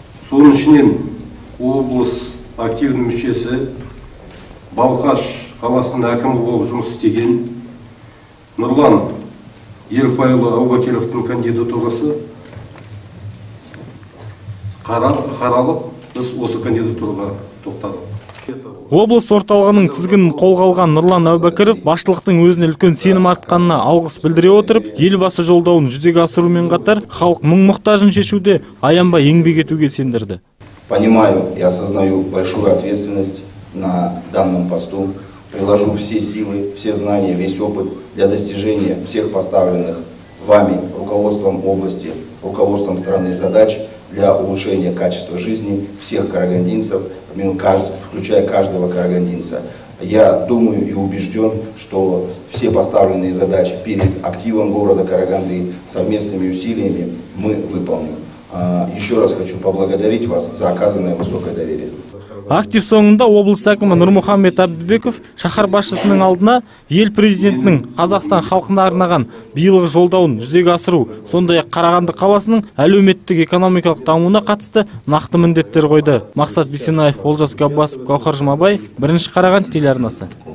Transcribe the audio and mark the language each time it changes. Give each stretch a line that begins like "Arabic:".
Kazakh: Соның ішінен облыс активінің мүшесі Балқаш қаласының әкімі болып жұмыс істеген Нұрлан Еркбайұлы Әубәкіровтің кандидатурасы қаралып, біз осы кандидатураға тоқтадық. Облыс орталығының тізгінін қолға алған Нұрлан Әубәкіров басшылықтың өзіне үлкен сенім артқанына алғыс білдіре отырып, елбасы жолдауын жүзеге асырумен қатар халық мұң мұқтажын шешуде аянбай еңбек етуге сендірді.
Russian: Понимаю и осознаю большую ответственность на данном посту. Приложу все силы, все знания, весь опыт для достижения всех поставленных вами руководством области, руководством страны задач для улучшения качества жизни всех карагандинцев, включая каждого карагандинца. Я думаю и убежден, что все поставленные задачи перед активом города Караганды совместными усилиями мы выполним. Еще раз хочу поблагодарить вас за оказанное высокое доверие.
Kazakh: Актив соңында облыс әкімі Нұрмұхамбет Әбдібеков шаһар басшысының алдына ел президентінің Қазақстан халқына арнаған биылғы жолдауын жүзеге асыру, сондай-ақ Қарағанды қаласының әлеуметтік экономикалық дамуына қатысты нақты міндеттер қойды. Мақсат Бисенаев, Олжас Габбасов, Гаухар Жұмабай, бірінші Қарағанды телеарнасы.